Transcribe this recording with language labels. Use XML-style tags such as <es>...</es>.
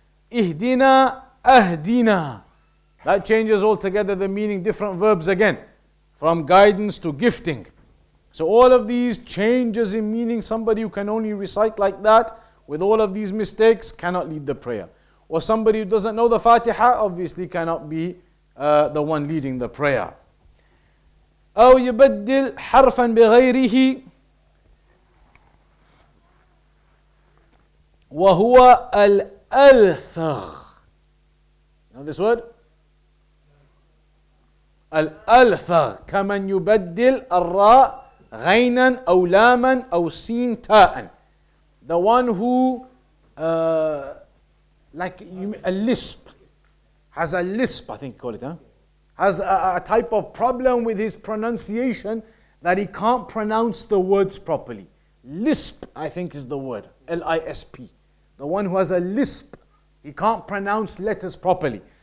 <en>Ihdina, ahdina. That changes altogether the meaning. Different verbs again. From guidance to gifting. So all of these changes in meaning, somebody who can only recite like that, with all of these mistakes, cannot lead the prayer. Or somebody who doesn't know the Fatiha, obviously cannot be the one leading the prayer.</en> <ar>أو يبدل حرفا بغيره وهو الألثغ.</ar> <en>Know this word?</en> <ar>الألثغ. كمن يبدل الراء غينا أو لاما أو سين تاء.</ar> <en>The one who, has a lisp, I think you call it, huh? Has a type of problem with his pronunciation that he can't pronounce the words properly. Lisp, I think, is the word, L-I-S-P. The one who has a lisp, he can't pronounce letters properly.</en>